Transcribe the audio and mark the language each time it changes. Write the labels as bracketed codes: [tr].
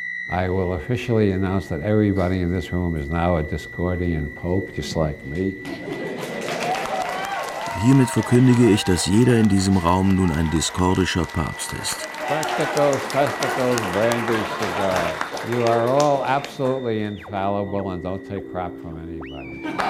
[en] I will officially announce that everybody in this room is now a Discordian Pope, just like me. [de] Hiermit verkündige ich, dass jeder in diesem Raum nun ein diskordischer Papst ist. [en] Testicles, testicles, brandish the God. You are all absolutely infallible and don't take crap from anybody.